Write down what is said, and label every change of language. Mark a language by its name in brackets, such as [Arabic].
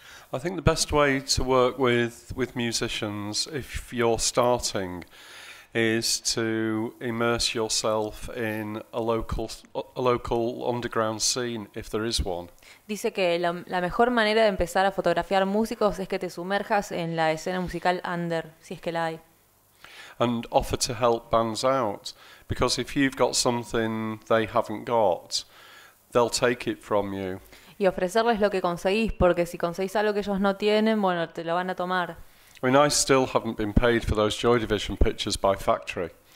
[English] I think the best way to work with musicians, if you're starting, is to immerse yourself in a local underground scene, if there is one. [Spanish] Dice que la mejor manera de empezar a fotografiar músicos es que te sumerjas en la escena musical under, si es que la hay. [English] And offer to help bands out, because if you've got something they haven't got, they'll take it from you. [Spanish] Y ofrecerles lo que conseguís, porque si conseguís algo que ellos no tienen, bueno, te lo van a tomar. [English] I mean, I still haven't been paid for those Joy Division pictures by Factory.